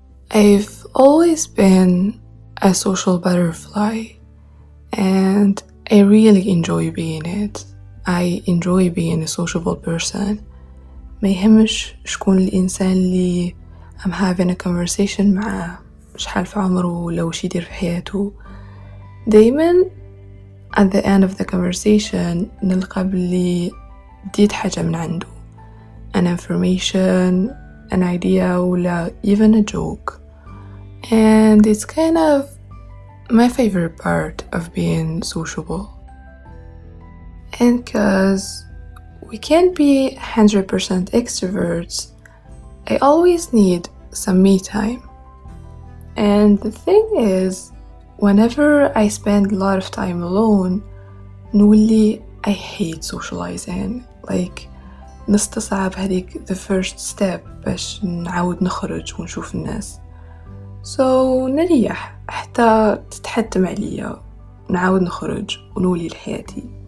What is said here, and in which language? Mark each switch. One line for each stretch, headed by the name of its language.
English: I've always been a social butterfly, and I really enjoy being it. I enjoy being a sociable person.
Arabic: ما يهمش شكون الإنسان اللي
English: I'm having a conversation
Arabic: معه, شحال في عمره, لو شي يدير في حياته. دايما
English: at the end of the conversation
Arabic: نلقى بلي ديت حاجة من عنده,
English: an information, an idea,
Arabic: ولا
English: even a joke. And it's kind of my favorite part of being sociable. And because we can't be 100% extroverts, I always need some me time. And the thing is, whenever I spend a lot of time alone,
Arabic: نولي
English: I hate socializing.
Arabic: Like, نستصعب هذيك
English: the first step
Arabic: باش نعاود نخرج ونشوف الناس. So نريح حتى تتحتم عليا نعاود نخرج ونولي لحياتي.